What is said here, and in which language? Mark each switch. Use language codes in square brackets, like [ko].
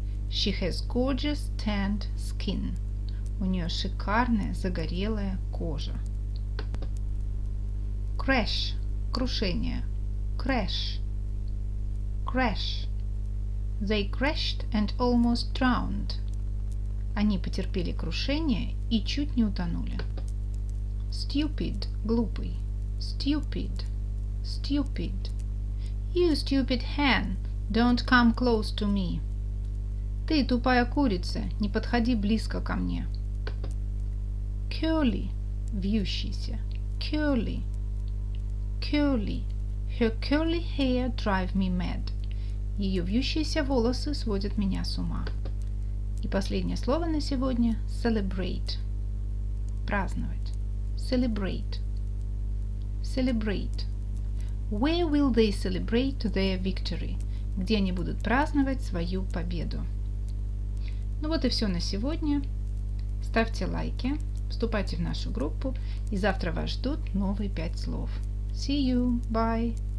[en] She has gorgeous tanned skin. [ru] У нее шикарная загорелая кожа. [en] Crash. [ru] Крушение. [en] Crash. Crash. They crashed and almost drowned. [ru] Они потерпели крушение и чуть не утонули. [en] Stupid. [ru] Глупый. [en] Stupid. Stupid. You stupid hen, don't come close to me. [ru] Ты тупая курица, не подходи близко ко мне. Curly, вьющийся. [en] Curly. Curly. Her curly hair drive me mad. [ru] Ее вьющиеся волосы сводят меня с ума. И последнее слово на сегодня – celebrate. Праздновать. [en] Celebrate. Celebrate. Where will they celebrate their victory? [ru] Где они будут праздновать свою победу? Ну вот и все на сегодня. Ставьте лайки, вступайте в нашу группу, и завтра вас ждут новые 5 слов. [en] See you, bye!